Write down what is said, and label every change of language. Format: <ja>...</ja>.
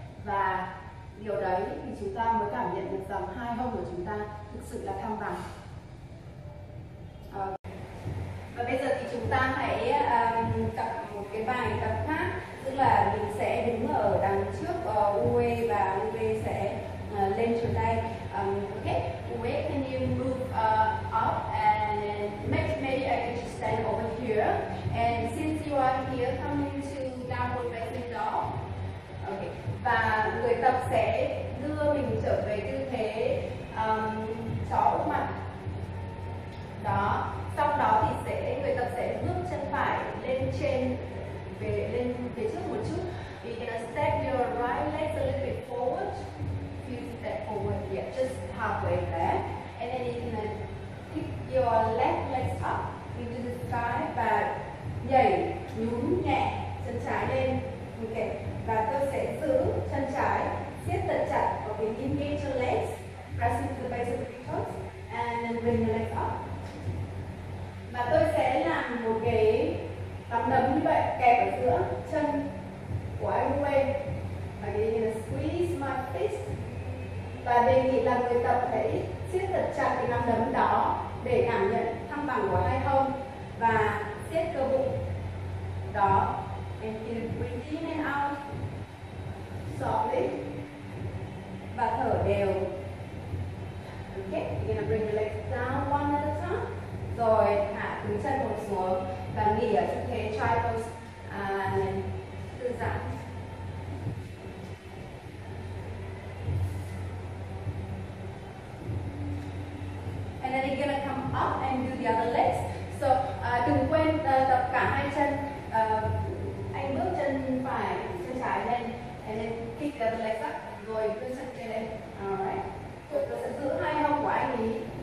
<vi>Và điều đấy thì chúng ta mới cảm nhận được rằng hai hông của chúng ta thực sự là thăng bằng. Và bây giờ thì chúng ta hãy tập một cái bài tập khác. Tức là mình sẽ đứng ở đằng trước Uwe và Uwe sẽ lên trên tay.</vi> <en>Okay, can you move up and maybe I can just stand over here. And since you are here, come into downward facing dog.</en> <vi>Okay, và người tập sẽ đưa mình trở về tư thế chó úp mặt. Đó. Sau đó thì sẽ người tập sẽ bước chân phải lên trên về lên phía trước một chút.</vi> <en>You're gonna step your right leg a little bit forward. Step forward, yeah, just halfway there. And then you can kick your left leg up into the sky</en> <vi>và nhảy nhún nhẹ chân trái lên.</vi> <en>Okay.</en> <vi>Và tôi sẽ giữ chân trái, siết thật chặt.</vi> <en>Okay, engage your legs, pressing to the base of the feet toes, and then bring your leg up.</en> <vi>Và tôi sẽ làm một cái tấm nấm như vậy, kẹp ở giữa chân của anh Uwe. Và</vi> <en>you're gonna squeeze my fist.</en> <vi>Và đề nghị là người tập hãy siết thật chặt cái nắm đấm đó để cảm nhận thăng bằng của hai hông và siết cơ bụng đó.</vi> <en>And you breathe in and out softly</en> <vi>và thở đều.</vi> <en>Okay, you're gonna bring your legs down one at a time.</en> <vi>Rồi hạ từng chân một xuống và nghỉ ở tư thế child pose and thư giãn.</vi> <en>And then you're gonna come up and do the other legs.</en> <vi>So đừng quên tập cả hai chân. Anh bước chân phải, chân trái lên.</vi> <en>And then kick the other legs up.</en> <vi>Rồi cứ chân kia lên.</vi> <en>Alright.</en> <vi>Tôi sẽ giữ hai hông của anh ý.</vi>